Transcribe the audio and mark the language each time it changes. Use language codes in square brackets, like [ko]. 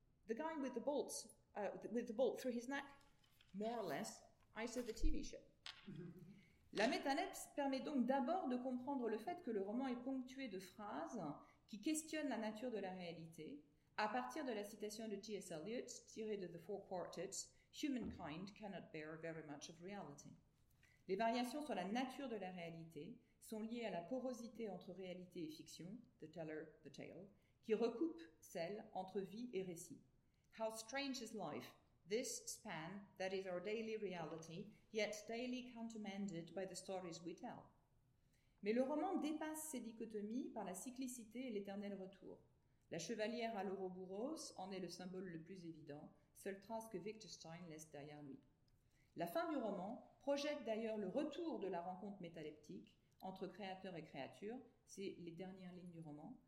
[en] The guy with the bolts, with the bolt through his neck, more or less, I saw the TV show. [fr] » La métalepse permet donc d'abord de comprendre le fait que le roman est ponctué de phrases qui questionnent la nature de la réalité, à partir de la citation de T.S. Eliot, tirée de The Four Quartets, « [en] Humankind cannot bear very much of reality ». [fr] Les variations sur la nature de la réalité sont liées à la porosité entre réalité et fiction, « [en] the teller, the tale [fr] », qui recoupe celle entre vie et récit. [en] « How strange is life ?» This span that is our daily reality, yet daily countermanded by the stories we tell. [fr] Mais le roman dépasse ces dichotomies par la cyclicité et l'éternel retour. La chevalière à l'ouroboros en est le symbole le plus évident, seule trace que Wittgenstein laisse derrière lui. La fin du roman projette d'ailleurs le retour de la rencontre métaleptique entre créateur et créature, c'est les dernières lignes du roman.